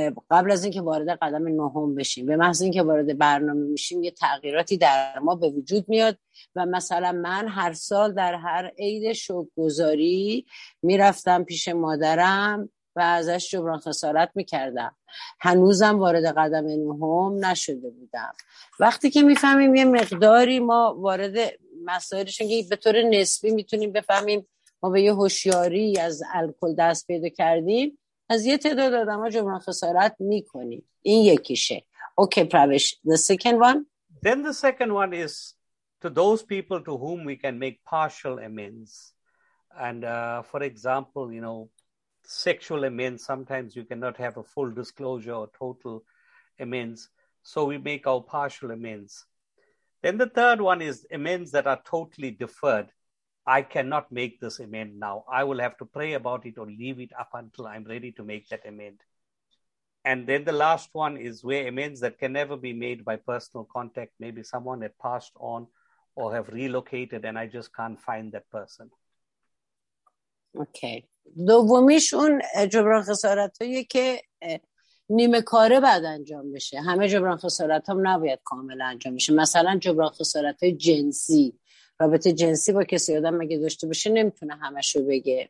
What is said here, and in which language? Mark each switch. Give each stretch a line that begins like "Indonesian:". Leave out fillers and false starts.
Persian: قبل از اینکه وارد قدم نهم بشیم، به محض اینکه وارد برنامه میشیم یه تغییراتی در ما به وجود میاد و مثلا من هر سال در هر عید شکرگزاری میرفتم پیش مادرم و ازش جبران خسارت میکردم، هنوزم وارد قدم نهم نشده بودم. وقتی که میفهمیم یه مقداری ما وارد مسائلشون که به طور نسبی میتونیم بفهمیم ما به یه هوشیاری از الکل دست پیدا کردیم، از یه تعداد آدم ها جبران خسارت می کنید. این یکیشه.
English: Okay, Pravish. The second one? Then the second one is to those people to whom we can make partial amends. And for example, you know, sexual amends, sometimes you cannot have a full disclosure or total amends. So we make our partial amends. Then the third one is amends that are totally deferred. I cannot make this amend now. I will have to pray about it or leave it up until I'm ready to make that amend. And then the last one is where amends that can never be made by personal contact. Maybe someone had passed on or have relocated and I just can't find that person. Okay.
Persian: دومیشون جبران خسارت هایی که نیمه کاره بعد انجام بشه. همه جبران خسارت هم نباید کامل انجام بشه. مثلا جبران خسارت های جنسی. رابطه جنسی با کسی آدم مگه داشته باشه نمیتونه همشو بگه.